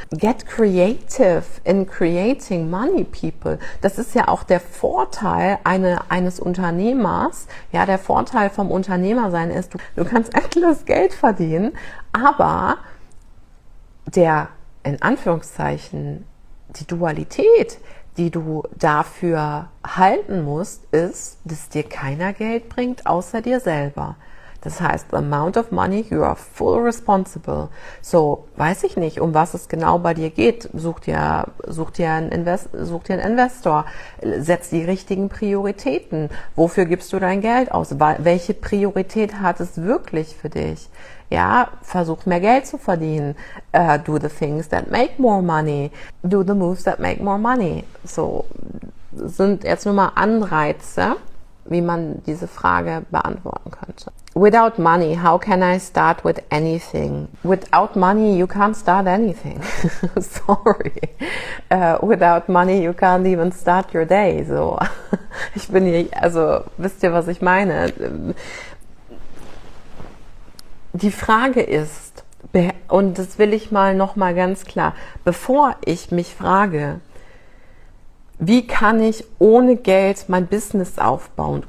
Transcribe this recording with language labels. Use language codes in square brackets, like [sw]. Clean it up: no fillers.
[en] Get creative in creating money, people. [de] Das ist ja auch der Vorteil eines Unternehmers. Ja, der Vorteil vom Unternehmersein ist, du kannst endlos Geld verdienen, aber der, in Anführungszeichen, die Dualität, die du dafür halten musst, ist, dass dir keiner Geld bringt, außer dir selber. Das heißt, [en] the amount of money, you are full responsible. [de] So, weiß ich nicht, um was es genau bei dir geht. Such dir einen Investor. Setz die richtigen Prioritäten. Wofür gibst du dein Geld aus? Welche Priorität hat es wirklich für dich? Ja, versuch mehr Geld zu verdienen. [en] Do the things that make more money. Do the moves that make more money. So, sind jetzt nur mal Anreize, wie man diese Frage beantworten könnte. Without money, how can I start with anything? Without money, you can't start anything. Sorry. Without money, you can't even start your day. [de] So, ich bin hier, also wisst ihr, was ich meine? Die Frage ist, und das will ich mal nochmal ganz klar, bevor ich mich frage, wie kann ich ohne Geld mein Business aufbauen?